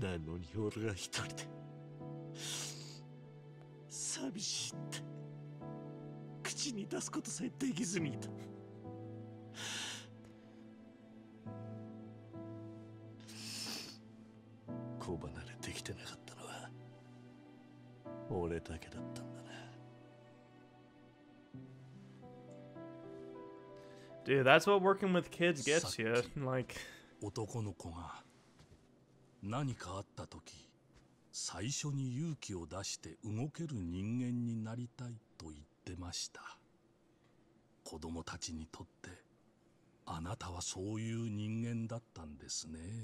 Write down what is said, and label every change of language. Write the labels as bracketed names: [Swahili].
[Japanese] なのに俺が一人で寂しいって口に出すことさえできずにいた。子離れできてなかったのは俺だけだったんだな。 [English] Dude, that's what working with kids gets you. Like, [Japanese] 男の子が何かあった時、最初に勇気を出して動ける人間になりたいと言ってました。子供たちにとってあなたはそういう人間だったんですね。